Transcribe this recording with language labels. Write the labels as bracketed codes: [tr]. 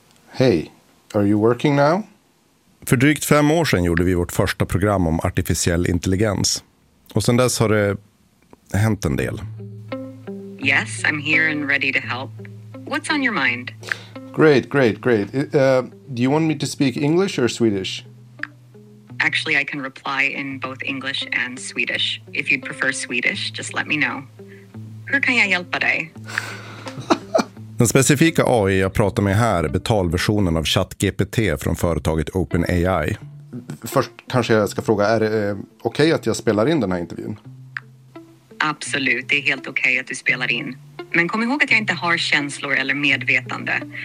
[en] Hey, are you working now? [sv] För drygt 5 år sedan gjorde vi vårt första program om artificiell intelligens. Och sedan dess har det hänt en del. [en] Yes, I'm here and ready to help. What's on your mind? Great. Do you want me to speak English or Swedish? Actually, I can reply in both English and Swedish. If you'd prefer Swedish, just let me know. [sv] Hur kan jag hjälpa dig? Den specifika AI jag pratar med här är betalversionen av ChatGPT från företaget OpenAI. Först kanske jag ska fråga, är det okej att jag spelar in den här intervjun? Absolut, det är helt okej att du spelar in. Men kom ihåg att jag inte har känslor eller medvetande.